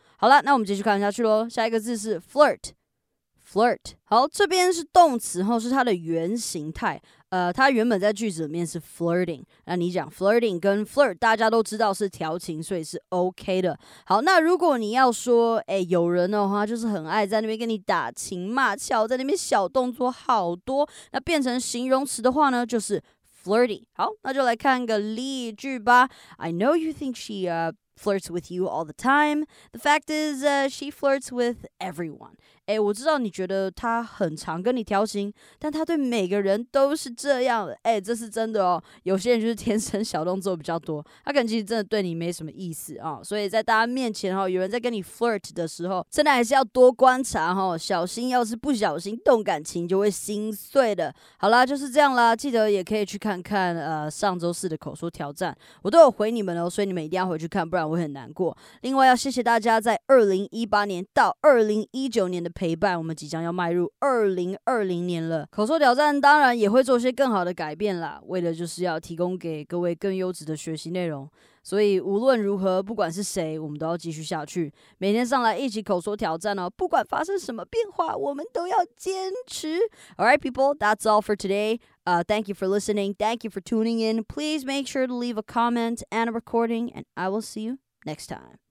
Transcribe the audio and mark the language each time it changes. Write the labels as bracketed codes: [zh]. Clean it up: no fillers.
[zh] 好了，那我们继续看下去咯。下一个字是 flirt。Flirt， 好，这边是动词后是它的原形态，它原本在句子里面是 flirting， 那你讲 flirting 跟 flirt， 大家都知道是调情，所以是 OK 的。好，那如果你要说，哎，有人的话就是很爱在那边跟你打情骂俏，在那边小动作好多，那变成形容词的话呢，就是 flirty。好，那就来看个例句吧。 [en] I know you think she flirts with you all the time. The fact is, she flirts with everyone. [zh] 欸，我知道你觉得她很常跟你调情，但她对每个人都是这样的。欸，这是真的哦。有些人就是天生小动作比较多，她可能其实真的对你没什么意思啊。所以在大家面前哦，有人在跟你 flirt 的时候，真的还是要多观察哦，小心，要是不小心动感情就会心碎的。好啦，就是这样啦，记得也可以去看看上周四的口说挑战，我都有回你们哦，所以你们一定要回去看，不然我很难过。另外要谢谢大家在2018年到2019年的陪伴，我们即将要迈入2020年了。口说挑战当然也会做些更好的改变啦，为的就是要提供给各位更优质的学习内容。所以无论如何，不管是谁，我们都要继续下去，每天上来一起口说挑战哦。不管发生什么变化，我们都要坚持。 [en] Alright people, that's all for today. Thank you for listening. Thank you for tuning in. Please make sure to leave a comment and a recording, and I will see you next time.